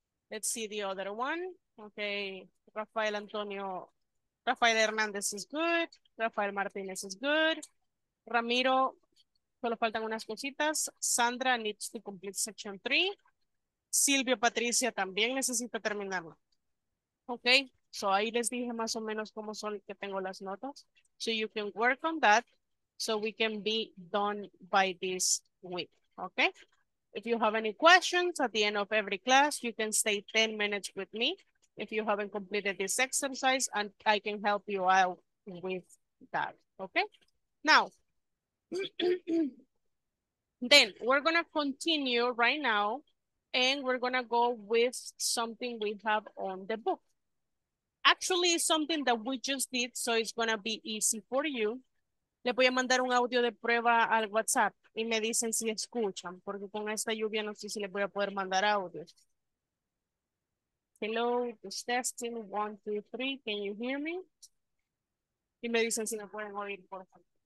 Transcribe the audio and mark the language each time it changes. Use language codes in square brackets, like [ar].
[en] Let's see the other one. Okay, Rafael Hernandez is good. [es] Rafael Martinez [en] is good. [es] Ramiro, solo faltan unas cositas. [en] Sandra needs to complete section 3. Silvio Patricia [es] también necesita terminarlo. Okay, so ahí les dije más o menos cómo son que tengo las notas. [en] So you can work on that so we can be done by this week. Okay, if you have any questions at the end of every class, you can stay 10 minutes with me. If you haven't completed this exercise, and I can help you out with that. Okay, now, then we're going to continue right now, and we're going to go with something we have on the book. Actually, it's something that we just did, so it's going to be easy for you. [es] Le voy a mandar un audio de prueba al WhatsApp y me dicen si escuchan, porque con esta lluvia no sé si les voy a poder mandar audios. [en] Hello, it's testing, 1, 2, 3, can you hear me? [es] Y me dicen si me pueden oír, por favor.